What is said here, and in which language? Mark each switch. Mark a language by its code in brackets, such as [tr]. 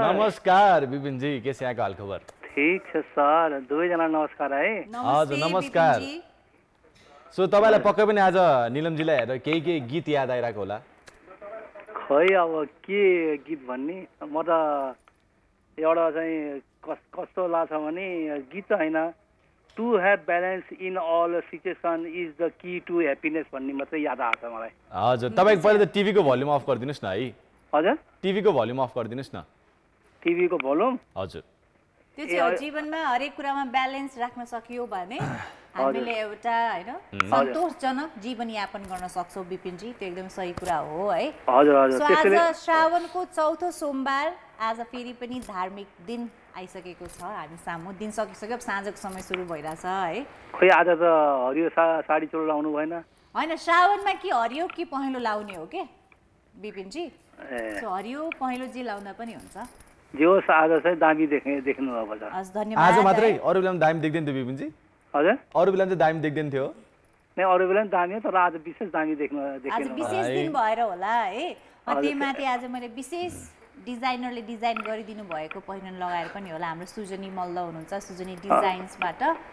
[ne] नमस्कार विपिन जी के छ हाल खबर ठीक छ सर दुई जना नमस्कार है हजुर नमस्कार सो तपाईलाई पक्कै पनि आज नीलम जीले हेरे केही केही गीत याद आइराको होला खै अब के गीत भन्ने म त एउटा चाहिँ कस्तो लाछ भने गीत हैन [en] To have balance in all situations is the key to happiness. [ne] भन्ने मात्रै याद आछ मलाई हजुर तपाई पहिले त टिभीको भोल्युम अफ गर्दिनुस् न है हजुर टिभीको भोल्युम अफ गर्दिनुस् न टिभीको भोल्युम हजुर त्यो चाहिँ जीवनमा हरेक कुरामा ब्यालेन्स राख्न सकियो भने हामीले एउटा हैन सन्तोषजनक जीवन यापन गर्न सक्छौ विपिन जी त्यो एकदम सही कुरा हो है हजुर हजुर सो आज श्रावणको चौथो सोमबार आज फेरि पनि धार्मिक दिन आइसकेको छ हामी सामु दिन सकिसक्यो साँझको समय सुरु भइराछ है खै आज त हरियो साडी चोलो लाउनु भएन हैन श्रावणमा के हरियो के पहेलो लाउने हो के विपिन जी सो हरियो पहेलो जे लाउँदा पनि हुन्छ जो आज चाहिँ दामी देख्नु भएको छ आज धन्यवाद आज मात्रै अरु बेला दामी देख्दैन थियो विपिन जी हजुर अरु बेला चाहिँ दामी देख्दैन थियो नै अरु बेला दामी तर आज विशेष दामी देख्नु आज विशेष दिन भएर होला है अति माथि आज मैले विशेष डिजाइनरले डिजाइन गरिदिनु भएको पहिरन लगाएर पनि होला हाम्रो सुजनी मल्ल हुनुहुन्छ सुजनी डिजाइन्सबाट